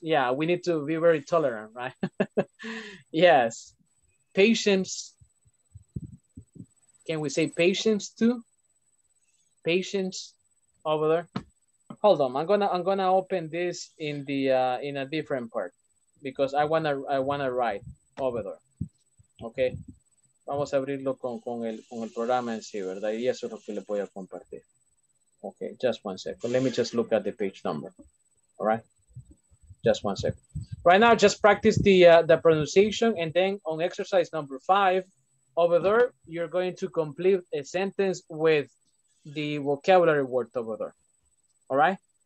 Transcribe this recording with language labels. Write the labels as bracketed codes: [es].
[en] Yeah, we need to be very tolerant, right? Yes. Patience. Can we say patience too? Patience over there. Hold on, I'm gonna open this in the in a different part because I wanna write over there. Okay. [es] Vamos a abrirlo con el programa en sí, ¿verdad? Y eso es lo que le voy a compartir. [en] Okay, just one second. Let me just look at the page number. All right. Just one second. Right now, just practice the pronunciation, and then on exercise number 5, over there, you're going to complete a sentence with the vocabulary word over there. All right?